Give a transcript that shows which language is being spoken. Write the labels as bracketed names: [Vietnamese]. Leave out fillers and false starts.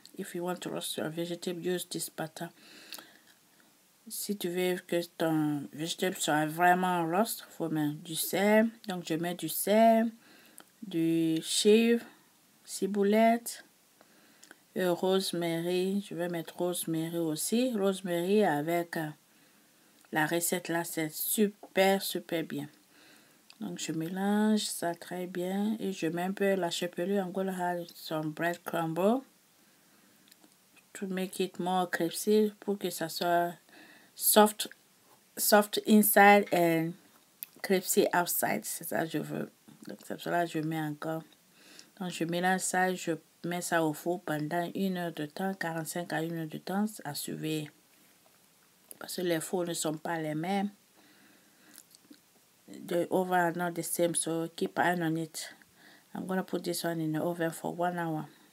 [English] If you want to roast your vegetable, use this butter. [French] Si tu veux que ton vegetable soit vraiment roast, il faut mettre du sel. Donc, je mets du sel, du chive, ciboulette, et rosemary. Je vais mettre rosemary aussi. Rosemary avec la recette là, c'est super, super bien. Donc, je mélange ça très bien. Et je mets un peu la chapelure. [English] I'm going to have some bread crumble to make it more crispy [French] pour que ça soit [English] soft inside and crispy outside. [French] C'est ça que je veux. Donc c'est pour ça que je mets encore. Donc je mélange ça, je mets ça au four pendant 1 heure de temps, 45 à 1 heure de temps à surveiller. parce que les faux ne sont pas les mêmes. [English] The over are not the same, so keep an eye on it. I'm gonna put this one in the oven for 1 hour.